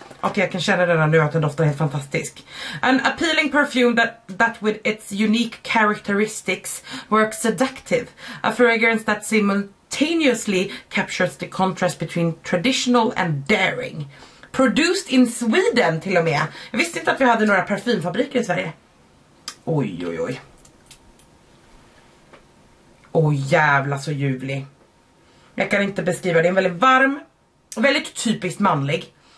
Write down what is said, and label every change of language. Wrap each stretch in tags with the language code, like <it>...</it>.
<sv>Okej, jag kan känna redan nu att den doftar helt fantastisk.</sv> <en>An appealing perfume that with its unique characteristics works seductive. A fragrance that simultaneously captures the contrast between traditional and daring. Produced in Sweden</en> <sv>till och med. Jag visste inte att vi hade några parfymfabriker i Sverige. Oj, oj, oj. Oj, jävla så ljuvlig. Jag kan inte beskriva det. Det är väldigt varm, väldigt typiskt manlig.</sv>